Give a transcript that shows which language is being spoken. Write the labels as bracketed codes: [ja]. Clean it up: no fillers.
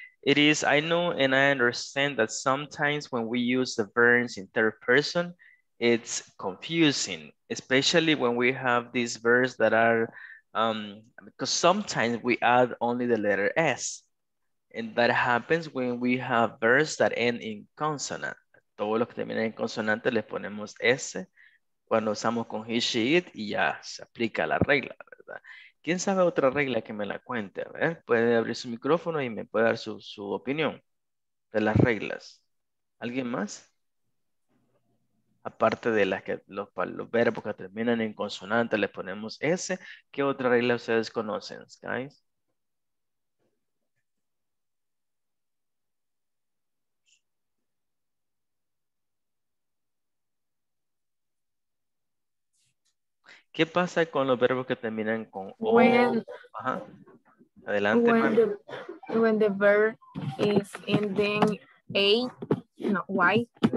[en] It is, I know and I understand that sometimes when we use the verbs in third person, it's confusing, especially when we have these verbs that are, because sometimes we add only the letter S. And that happens when we have verbs that end in consonant. [es] Todo lo que termina en consonante le ponemos S. Cuando usamos con he, she, it, y ya se aplica la regla, ¿verdad? ¿Quién sabe otra regla que me la cuente? A ver, puede abrir su micrófono y me puede dar su opinión de las reglas. ¿Alguien más? Aparte de las que los verbos que terminan en consonante le ponemos S, ¿qué otra regla ustedes conocen, guys? ¿Qué pasa con los verbos que terminan con O? [en] When, [es] ajá. Adelante. [en] When the verb is ending A, no, Y.